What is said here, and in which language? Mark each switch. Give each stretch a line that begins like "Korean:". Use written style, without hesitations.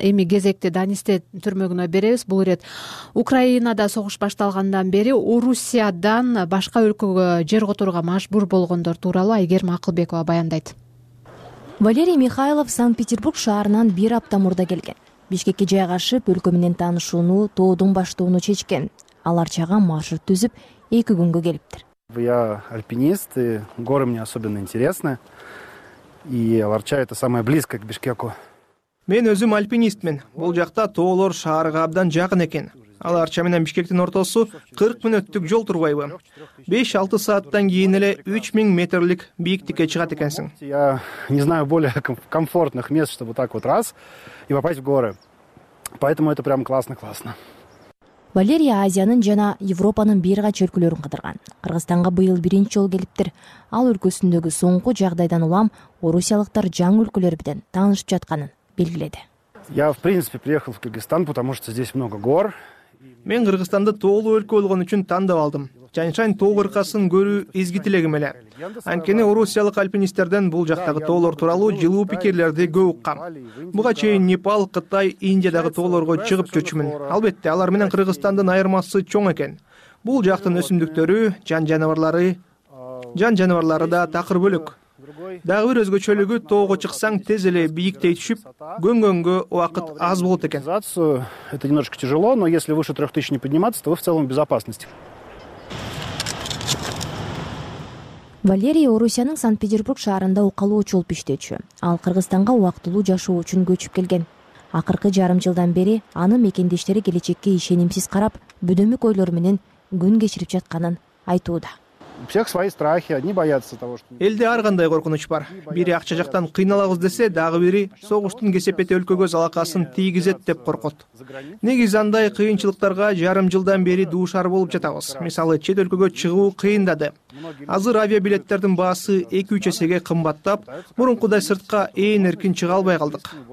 Kyrgyz: Эми кезекти Данисте түрмөгүнө беребиз. Бул ирет Украинада согуш башталгандан бери Орусиядан башка өлкөгө жер которууга мажбур болгондор тууралуу Айгерим Акылбекова баяндайт. Валерий Михайлов Санкт-Петербург шаарынан бир апта мурда келген. Бишкекке жайгашып, өлкө менен таанышууну, тоодун баштоону чечкен. Алар чага маршрут түзүп, 2 күнгө келиптир.
Russian: Я альпинист, и горы мне особенно интересны. И Аларча это самое близко к Бишкеку.
Kyrgyz: Мен өзүм альпинистмин. Бул жакта тоолор шаарга абдан жакын экен. Аларча менен Бишкектин ортосу 40 мүнөттүк жол турбайбы. 5-6 сааттан кийин эле 3000 метрлик бийиктикке чыгат экенсиң.
Russian: Я не знаю более комфортных мест, чтобы так вот раз и попасть в горы. Поэтому это прям классно.
Kyrgyz: Валерия Азиянын жана Европанын бир кач өлкөлөрүн кыдырган. Кыргызстанга быйыл биринчи жолу келиптир. Ал өлкөсүндөгү соңку жагдайдан улам орусиялыктар жаңы өлкөлөр менен таанышып жатканын белгиледи.
Russian: Я, в принципе, приехал в Кыргызстан, потому что здесь много гор.
Kyrgyz: Мен Кыргызстанды тоолуу өлкө болгон үчүн тандап алдым. Жаньшань тоо кыркасын көрүү изги тилегим эле. Анткени орусиялык альпинисттерден бул жактагы тоолор тууралуу жылуу пикирлерди көп уккам. Буга чейин Непал, Кытай, Индиядагы тоолорго чыгып жүрчүмүн. Албетте, алар менен Кыргызстандын айырмасы чоң экен. Бул жактын өсүмдүктөрү, жан жаныбарлары да такыр бөлөк. Дагы бир өзгөчөлүгү, тоого чыксаң тез эле бийиктей түшүп, көнгөнгө убакыт аз болот экен.
Russian: Это немножко тяжело, но если выше 3000 не подниматься, то вы в целом в безопасности.
Kyrgyz: Валерий Орусиянын Санкт-Петербург шаарында окалуучу болуп иштечү. Ал Кыргызстанга убактылуу жашоо үчүн көчүп келген. Акыркы жарым жылдан бери анын мекендештери келечекке ишенимсиз карап, бүдөмүк ойлор менен күн кечирип жатканын айтууда.
Russian: Всех свои страхи, одни боятся того, что
Kyrgyz: элде ар кандай коркунуч бар. Бири акча жактан кыйналабыз десе, дагы бири согуштун кесепети өлкөгө залакасын тийгизет деп коркот. Негизи андай кыйынчылыктарга жарым жылдан бери дуушар болуп жатабыз. Мисалы, чет өлкөгө чыгуу кыйындады. Азыр авиабилеттердин баасы 2-3 эсеге кымбаттап, мурункудай сыртка ээн эркин чыга албай калдык.